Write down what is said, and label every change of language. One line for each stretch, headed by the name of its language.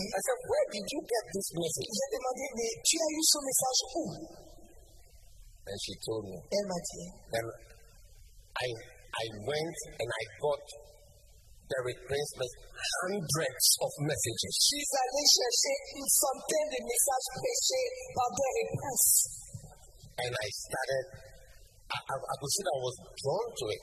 English: I said, where did you get this message?
French: J'ai demandé, mais tu as eu ce message où?
English: And she told me.
French: Elle m'a dit.
English: Then I went and I got Derek Prince with hundreds of messages.
French: J'suis allé chercher une centaine de messages prêchés par Derek Prince.
English: And I started. I could see that I was drawn to it.